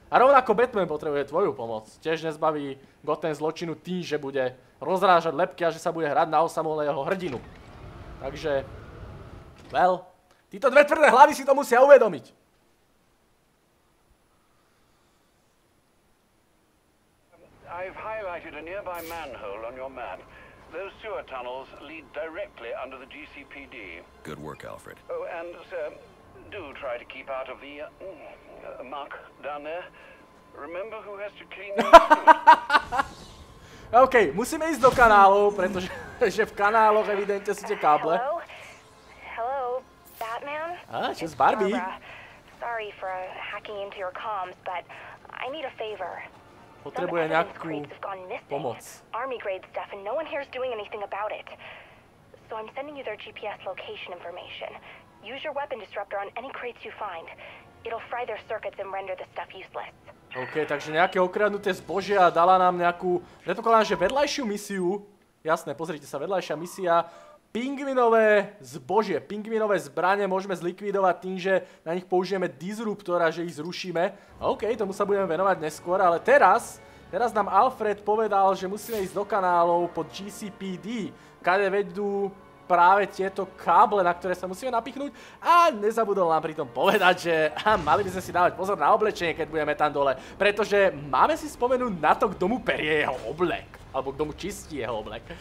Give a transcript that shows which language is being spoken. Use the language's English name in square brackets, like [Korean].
[Slovak] A rovnako Batman potrebuje tvoju pomoc. Tiež nezbaví Gotham zločinu tým, že bude rozrážať lebky a že sa bude hrať na osamelého hrdinu. Takže... Well... Títo dve tvrdé hlavy si to musia uvedomiť. [English] I've highlighted a nearby manhole on your map. Those sewer tunnels lead directly under the GCPD. Good work, Alfred. Oh, and sir, do try to keep out of the... muck down there. Remember who has to clean your suit. [Slovak] OK, musíme ísť do kanálov, pretože že v kanáloch evidentne sú tie káble. [English] Hello? Batman? [Slovak] Ah, čo s Barbie? [English] Sorry for hacking into your comms, but I need a favor. [Slovak] Potrebuje nejakú pomoc. [English] Army grade stuff and no one here is doing anything about it. So I'm sending you their GPS location information. Use your weapon disruptor on any crates you find. It'll fry their circuits and render the stuff useless. [Slovak] OK, takže nejaké okradnuté zbožia dala nám nejakú, predpokladám, že vedľajšiu misiu, jasné, pozrite sa, vedľajšia misia, pingvinové zbožie, pingvinové zbrane môžeme zlikvidovať tým, že na nich použijeme disruptora, že ich zrušíme. OK, tomu sa budeme venovať neskôr, ale teraz nám Alfred povedal, že musíme ísť do kanálov pod GCPD, kade vedú práve tieto káble, na ktoré sa musíme napichnúť a nezabudol nám pritom povedať, že mali by sme si dávať pozor na oblečenie, keď budeme tam dole, pretože máme si spomenúť na to, kto mu perie jeho oblek, alebo kto mu čistí jeho oblek.